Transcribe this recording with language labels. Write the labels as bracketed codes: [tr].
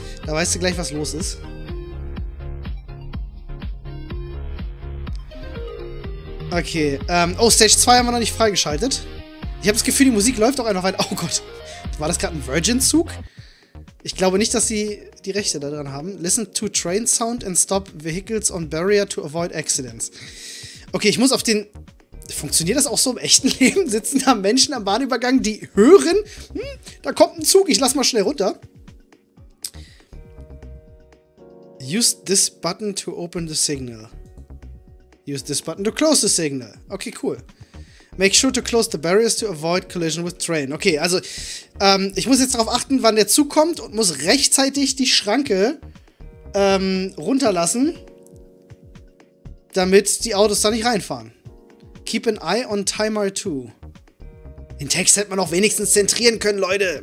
[de] Da weißt du gleich, was los ist. Okay, oh, Stage 2 haben wir noch nicht freigeschaltet. Ich habe das Gefühl, die Musik läuft auch einfach weiter. Oh Gott, war das gerade ein Virgin-Zug? Ich glaube nicht, dass sie die Rechte daran haben. [en] Listen to train sound and stop vehicles on barrier to avoid accidents. [de] Okay, ich muss auf den... Funktioniert das auch so im echten Leben? Sitzen da Menschen am Bahnübergang, die hören? Hm, da kommt ein Zug, ich lass mal schnell runter. [en] Use this button to open the signal. Use this button to close the signal. Okay, cool. Make sure to close the barriers to avoid collision with train. [de] Okay, also ich muss jetzt darauf achten, wann der Zug kommt und muss rechtzeitig die Schranke runterlassen, damit die Autos da nicht reinfahren. [en] Keep an eye on timer 2. [de] Den Text hätte man auch wenigstens zentrieren können, Leute.